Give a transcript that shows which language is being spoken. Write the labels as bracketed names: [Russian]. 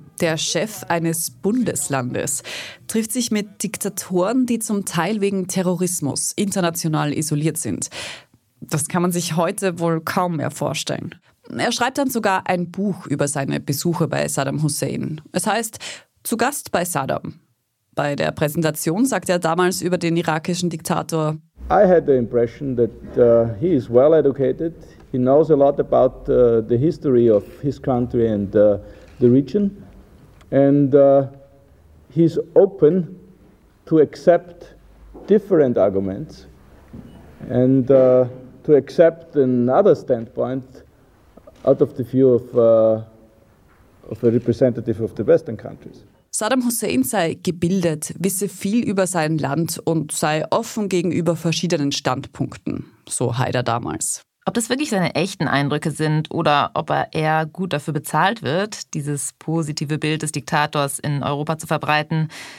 [German] Der Chef eines Bundeslandes trifft sich mit Diktatoren, die zum Teil wegen Terrorismus international isoliert sind. Das kann man sich heute wohl kaum mehr vorstellen. Er schreibt dann sogar ein Buch über seine Besuche bei Saddam Hussein. Es heißt »Zu Gast bei Saddam«. Bei der Präsentation sagt er damals über den irakischen Diktator: [English] »I had the impression that he is well educated. He knows a lot about the history of his country and the region. And he's open to accept different arguments and to accept another standpoint out of the view of a representative of the Western countries.« [German] Saddam Hussein sei gebildet, wisse viel über sein Land und sei offen gegenüber verschiedenen Standpunkten, so Haider damals. Ob das wirklich seine echten Eindrücke sind oder ob er eher gut dafür bezahlt wird, dieses positive Bild des Diktators in Europa zu verbreiten.